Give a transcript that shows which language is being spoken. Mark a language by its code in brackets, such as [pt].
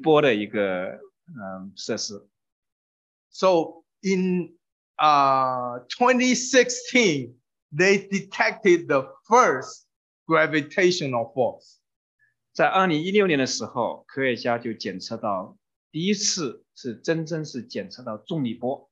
[zh] 我们右边是一个检测这个重力波的一个设施。 [en] So in 2016, they detected the first gravitational force. [zh] 在2016年的时候, 科学家就检测到第一次是真正是检测到重力波。